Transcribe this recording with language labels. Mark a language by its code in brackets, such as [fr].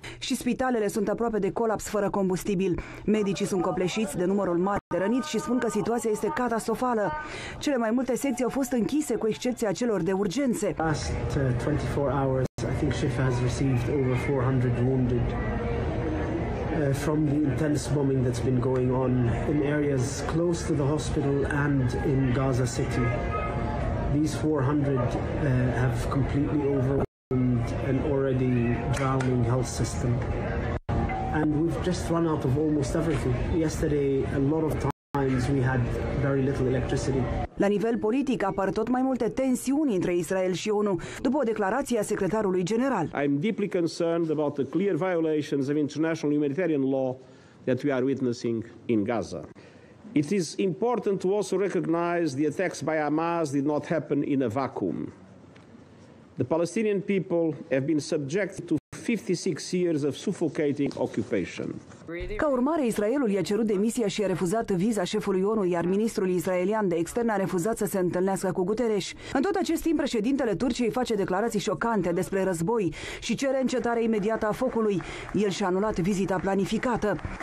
[ro] Și spitalele sunt aproape de colaps fără combustibil. Medicii sunt copleșiți de numărul mare de răniți și spun că situația este catastrofală. Cele mai multe secții au fost închise, cu excepția celor de urgențe. [en] Last 24 hours I think Shifa has received over 400 wounded from the intense bombing that's been going on in areas close to the hospital and in Gaza City. These 400 have completely overwhelmed an already drowning health system. And we've just run out of almost everything. Yesterday, a lot of times, we had very little electricity. [ro] La nivel politic apar tot mai multe tensiuni între Israel și ONU, după o declarație a secretarului general. [en] I'm deeply concerned about the clear violations of international humanitarian law that we are witnessing in Gaza. It is important to also recognize the attacks by Hamas did not happen in a vacuum. The Palestinian people have been subjected to 56 years of suffocating occupation. [ro] Ca urmare, Israelul i-a cerut demisia și a refuzat viza șefului ONU, iar ministrul israelian de externe a refuzat să se întâlnească cu Guterres. În tot acest timp, președintele Turciei face declarații șocante despre război și cere încetarea imediată a focului. El și-a anulat vizita planificată.